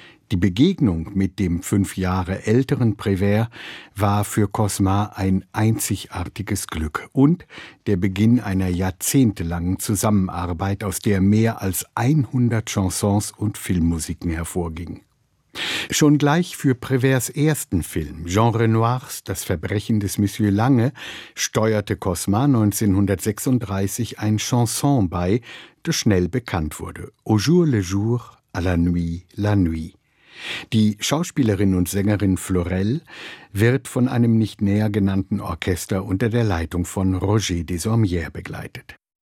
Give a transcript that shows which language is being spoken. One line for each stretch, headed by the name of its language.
German: Die Begegnung mit dem 5 Jahre älteren Prévert war für Kosma ein einzigartiges Glück und der Beginn einer jahrzehntelangen Zusammenarbeit, aus der mehr als 100 Chansons und Filmmusiken hervorgingen. Schon gleich für Prévert's ersten Film, Jean Renoirs Das Verbrechen des Monsieur Lange, steuerte Kosma 1936 ein Chanson bei, das schnell bekannt wurde.
French: Au jour le jour, à la nuit, la nuit.
German: Die Schauspielerin und Sängerin Florel wird von einem nicht näher genannten Orchester unter der Leitung von Roger Desormières begleitet.